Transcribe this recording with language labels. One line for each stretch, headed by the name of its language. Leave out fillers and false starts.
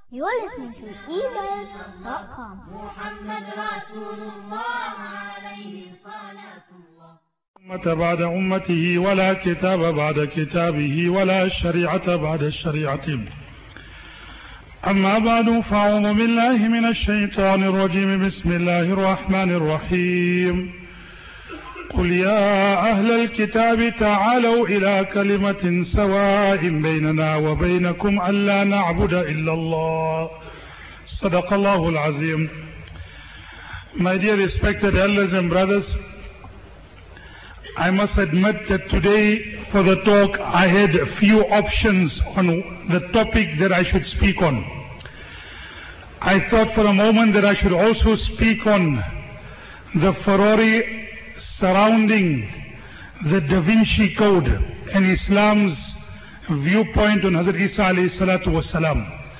English: You're listening to ebuzz.com.
Arabic: محمد رسول الله عليه الصلاة والسلام. أمة بعد أمته ولا كتاب بعد كتابه ولا الشريعة بعد الشريعة. أما بعد فأعوذ بالله من الشيطان الرجيم. بسم الله الرحمن الرحيم. قل يا أهل الكتاب تعالوا إلى كلمة سواء بيننا وبينكم ألا نعبد إلا الله. صدق الله العظيم.
English: My dear respected elders and brothers, I must admit that today for the talk I had a few options on the topic that I should speak on. I thought for a moment that I should also speak on the furore surrounding the Da Vinci Code and Islam's viewpoint on Hazrat Isa alayhi salatu wasalam.